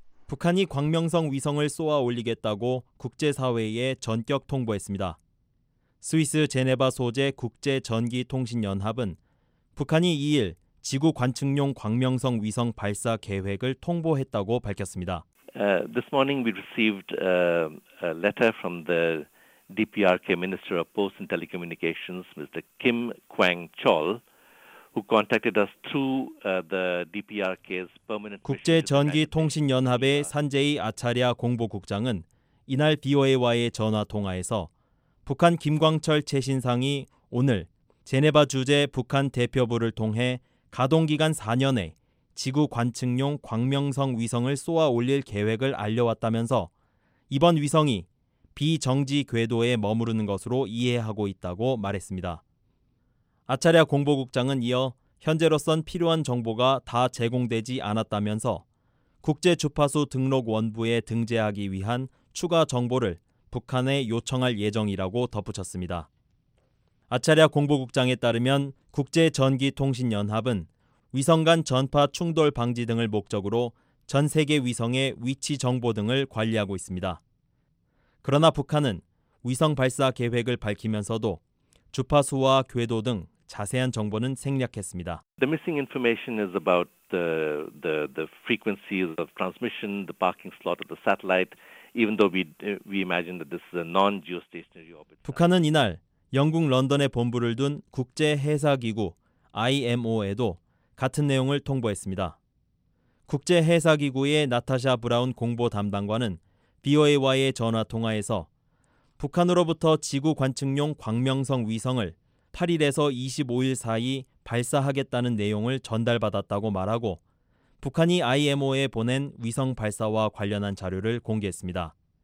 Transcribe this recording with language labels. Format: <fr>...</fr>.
<ko>북한이 광명성 위성을 쏘아 올리겠다고 국제사회에 전격 통보했습니다. 스위스 제네바 소재 국제전기통신연합은 북한이 2일 지구 관측용 광명성 위성 발사 계획을 통보했다고 밝혔습니다.</ko> <en>This morning we received a letter from the DPRK Minister of Posts and Telecommunications, Mr. Kim Kwang-chol, who contacted us through the DPRK's permanent.</en> <ko>국제전기통신연합의 산제이 아차리아 공보국장은 이날 BOA와의 전화 통화에서 북한 김광철 최신상이 오늘 제네바 주재 북한 대표부를 통해 가동기간 4년에 지구 관측용 광명성 위성을 쏘아 올릴 계획을 알려왔다면서 이번 위성이 비정지 궤도에 머무르는 것으로 이해하고 있다고 말했습니다. 아차랴 공보국장은 이어 현재로선 필요한 정보가 다 제공되지 않았다면서 국제주파수 등록 원부에 등재하기 위한 추가 정보를 북한에 요청할 예정이라고 덧붙였습니다. 아차랴 공보국장에 따르면 국제전기통신연합은 위성 간 전파 충돌 방지 등을 목적으로 전 세계 위성의 위치 정보 등을 관리하고 있습니다. 그러나 북한은 위성 발사 계획을 밝히면서도 주파수와 궤도 등 자세한 정보는 생략했습니다.</ko> <en>The missing information is about the frequencies of transmission, the parking slot of the satellite. Even though we imagine that this is a non-geostationary orbit.</en> <ko>북한은 이날 영국 런던에 본부를 둔 국제 해사 기구 IMO에도 같은 내용을 통보했습니다. 국제 해사 기구의 나타샤 브라운 공보 담당관은 BOA와의 전화 통화에서 북한으로부터 지구 관측용 광명성 위성을 8일에서 25일 사이 발사하겠다는 내용을 전달받았다고 말하고 북한이 IMO에 보낸 위성 발사와 관련한 자료를 공개했습니다.</ko>